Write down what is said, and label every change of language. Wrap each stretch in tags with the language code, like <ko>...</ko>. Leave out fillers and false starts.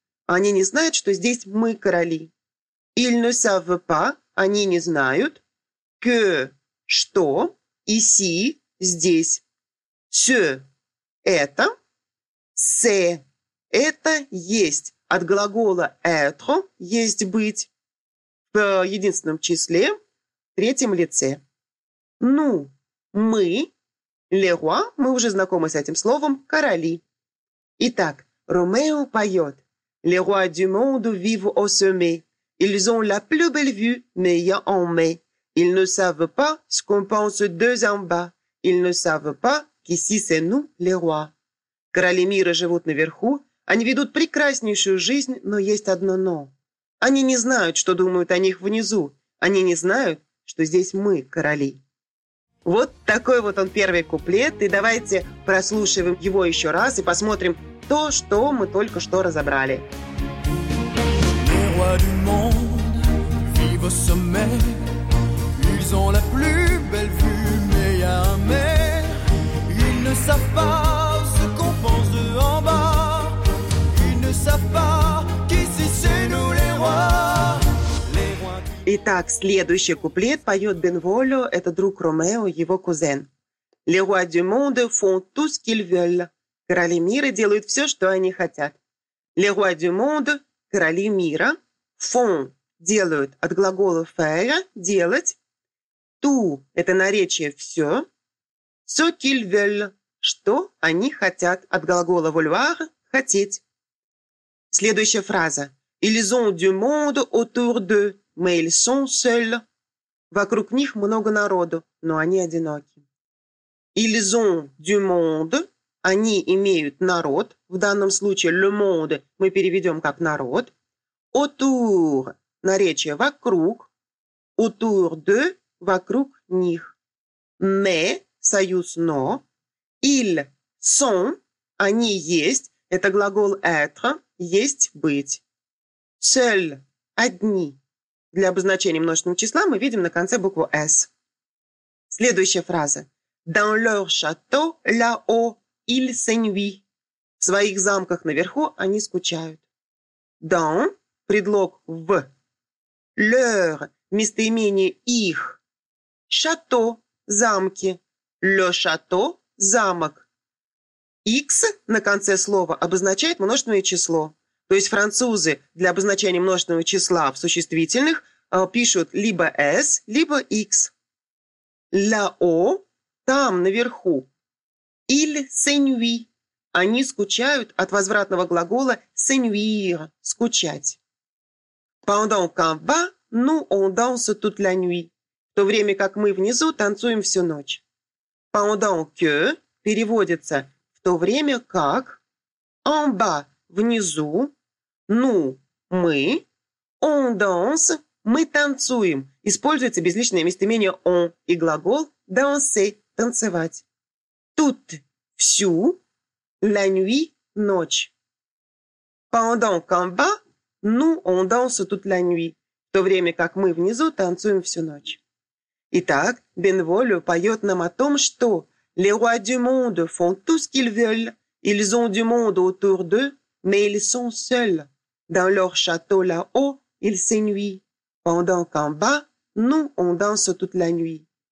<ru>Они не знают, что здесь мы короли.</ru> <fr>«Ils ne savent pas» –</fr> <ru>они не знают.</ru> <fr>«Que»</fr> <ru>– что.</ru> <fr>«Ici»</fr> <ru>– здесь.</ru> <fr>«Ce»</fr> <ru>– это. «C» – это есть. От глагола</ru> <fr>«être»</fr> <ru>– есть быть. В единственном числе, в третьем лице. «Ну», «мы»,</ru> <fr>«les rois»,</fr> <ru>мы уже знакомы с этим словом, «короли». Итак, Ромео поет.</ru> <fr>«Les rois du monde vivent au sommet. Ils ont la plus belle vue, mais y a un mais. Ils ne savent pas ce qu'on pense d'eux en bas. Ils ne savent pas qu'ici c'est nous, les rois».</fr> <ru>Короли мира живут наверху. Они ведут прекраснейшую жизнь, но есть одно «но». Они не знают, что думают о них внизу. Они не знают, что здесь мы, короли. Вот такой вот он первый куплет. И давайте прослушаем его еще раз и посмотрим то, что мы только что разобрали.</ru> <fr>Les rois du monde vivent au sommet. ils ont la plus belle vue, mais y a un mais, ils ne savent pas ce qu'on pense d'eux en bas, ils ne savent pas qu'ici c'est nous les rois.</fr> <ru>Итак, следующий куплет поет Бенволио, это друг Ромео, его кузен.</ru> <fr>«Les rois du monde font tout ce qu'ils veulent».</fr> <ru>Короли мира делают все, что они хотят.</ru> <fr>«Les rois du monde» –</fr> <ru>короли мира.</ru> <fr>«Font»</fr> <ru>– делают от глагола</ru> <fr>«faire»</fr> <ru>– делать.</ru> <fr>«Tout»</fr> <ru>– это наречие «все».</ru> <fr>«Ce qu'ils veulent»</fr> <ru>– что они хотят от глагола</ru> <fr>«vouloir»</fr> <ru>– хотеть. Следующая фраза.</ru> <fr>«Ils ont du monde autour d'eux». Mais ils sont seuls.</fr> <ru>Вокруг них много народу, но они одиноки.</ru> <fr>Ils ont du monde.</fr> <ru>Они имеют народ. В данном случае</ru> <fr>le monde</fr> <ru>мы переведем как народ.</ru> <fr>Autour.</fr> <ru>Наречие вокруг.</ru> <fr>Autour de.</fr> <ru>Вокруг них.</ru> <fr>Mais.</fr> <ru>Союз но.</ru> <fr>Ils sont.</fr> <ru>Они есть. Это глагол</ru> <fr>être.</fr> <ru>Есть быть.</ru> <fr>Seuls.</fr> <ru>Одни. Для обозначения множественного числа мы видим на конце букву «s». Следующая фраза.</ru> <fr>«Dans leur château, là-haut, ils s'ennuient».</fr> <ru>В своих замках наверху они скучают.</ru> <fr>«Dans»</fr> <ru>– предлог «в».</ru> <fr>«Leur»</fr> <ru>– местоимение «их».</ru> <fr>«Château»</fr> <ru>– замки.</ru> <fr>«Le château» –</fr> <ru>замок. «X» на конце слова обозначает множественное число. То есть французы для обозначения множественного числа в существительных пишут либо «s», либо «x».</ru> <fr>«Là-haut»</fr> <ru>– там, наверху.</ru> <fr>«Ils s'ennuient»</fr> <ru>– они скучают от возвратного глагола</ru> <fr>«s'ennuir»</fr> <ru>– скучать.</ru> <fr>«Pendant qu'en bas, nous on danse toute la nuit» –</fr> <ru>в то время как мы внизу танцуем всю ночь.</ru> <fr>«Pendant que»</fr> <ru>– переводится «в то время как»,</ru> <fr>«en bas»</fr> <ru>– внизу, «ну» – «мы»,</ru> <fr>«on danse»</fr> <ru>– «мы танцуем» используется безличное местоимение</ru> <fr>«on»</fr> <ru>и глагол</ru> <fr>«danser»</fr> <ru>– «танцевать». «Тут» – «всю»,</ru> <fr>«la nuit»</fr> <ru>– «ночь».</ru> <fr>«Pendant qu'en bas, nous on danse toute la nuit»,</fr> <ru>в то время как мы внизу танцуем всю ночь. Итак, Бенволио поет нам о том, что</ru> <fr>«les rois du monde font tout ce qu'ils veulent, ils ont du monde autour d'eux, mais ils sont seuls, dans leur château là-haut, ils s'ennuient». Pendant qu'en bas, nous on danse toute la nuit.</fr>